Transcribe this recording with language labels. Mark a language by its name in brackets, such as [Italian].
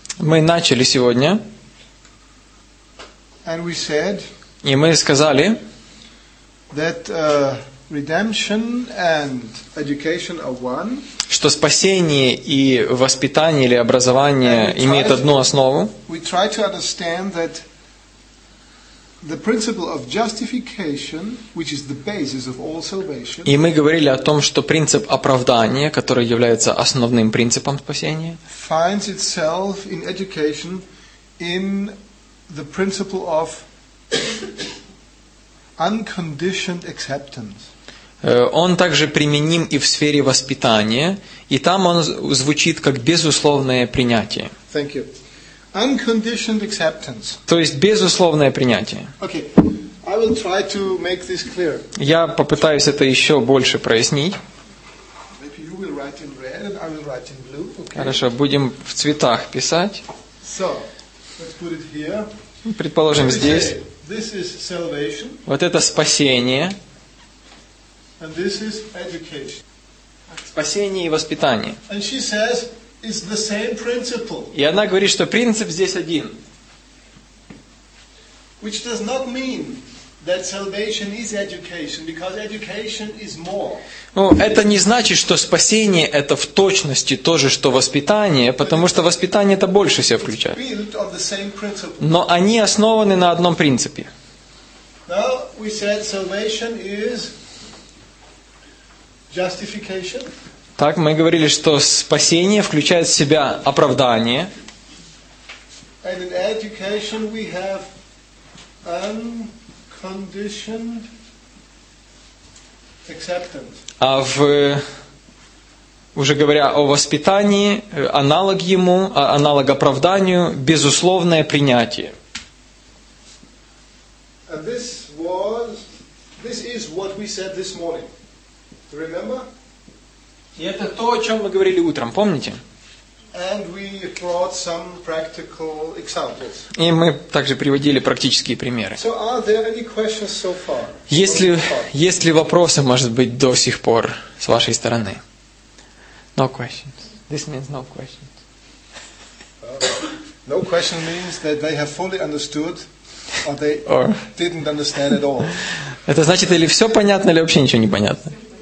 [Russian] Мы начали сегодня. [English] And we said. [Russian] И мы сказали. [English] That redemption and education are one. [Russian] Что спасение и воспитание или образование имеют одну основу. [English] We try to understand that the principle of justification, which is the basis of all salvation. [Russian] И мы говорили о том, что принцип оправдания, который является основным принципом спасения, [English] finds itself in education in the principle of unconditioned acceptance. [Russian] Он также применим и в сфере воспитания, и там он звучит как безусловное принятие. [English] Thank you. Unconditioned acceptance. [Russian] То есть безусловное принятие. [English] Okay, I will try to make this clear. [Russian] Я попытаюсь это еще больше прояснить. [English] will write in red and I will write in blue. Okay. [Russian] Хорошо, будем в цветах писать. [English] So, let's put it here. [Russian] Предположим, [English] let's [Russian] здесь. [English] Say, this is salvation. [Russian] Вот это спасение. [English] And this is education. [Russian] Спасение и воспитание. [English] And she says, it's the same principle. [Russian] И она говорит, что принцип здесь один. [English] Which does not mean that salvation is education, because education is more. [Russian] Ну, это не значит, что спасение это в точности то же, что воспитание, потому что воспитание это больше себя включает. Но они основаны на одном принципе. [English] Now we said salvation is justification. [Russian] Так, мы говорили, что спасение включает в себя оправдание. [English] And in education we have unconditioned acceptance. [Russian] А в, уже говоря о воспитании, аналог ему, аналог оправданию, безусловное принятие. [English] And this was, this is what we said this morning. Remember? [Russian] И это то, о чем мы говорили утром, помните? [English] And we brought some practical examples. [Russian] И мы также приводили практические примеры. [English] So are there any questions so far? [Russian] Есть ли вопросы, может быть, до сих пор с вашей стороны? [English] No questions. This means no questions. No question means that they have fully understood or they or... didn't understand at all. [Russian] Это значит, или все понятно, или вообще ничего не понятно.